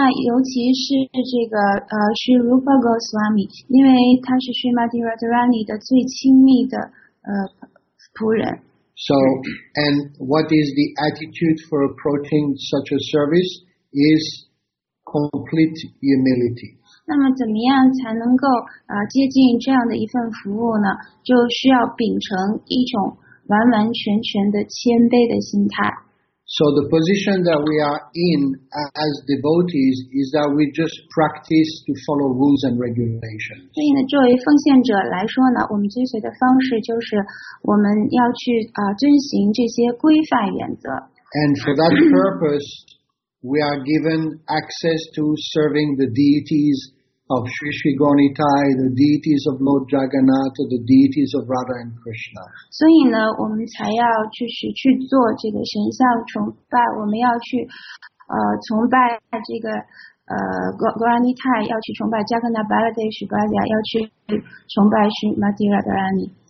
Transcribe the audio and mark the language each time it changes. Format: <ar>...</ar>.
<zh>那尤其是这个Sri Rupa Goswami, 因为他是 Srimati Radharani 的最亲密的仆人。</zh> <en>So, and what is the attitude for approaching such a service is complete humility.</en> <zh>那么怎么样才能够接近这样的一份服务呢？就需要秉承一种完完全全的谦卑的心态。</zh> <en>So the position that we are in as devotees is that we just practice to follow rules and regulations.</en> <zh>所以呢，作为奉献者来说呢，我们追随的方式就是我们要去遵循这些规范原则。</zh> <en>And for that purpose, we are given access to serving the deities of Sri Sri Gaunitai, the deities of Lord Jagannath, or the deities of Radha and Krishna.</en> <zh>所以呢，我们才要去做这个神像崇拜，我们要去崇拜这个Gaunitai， 要去崇拜 Jagannath Baladev Subhadra， 要去崇拜 Srimati Radharani。</zh>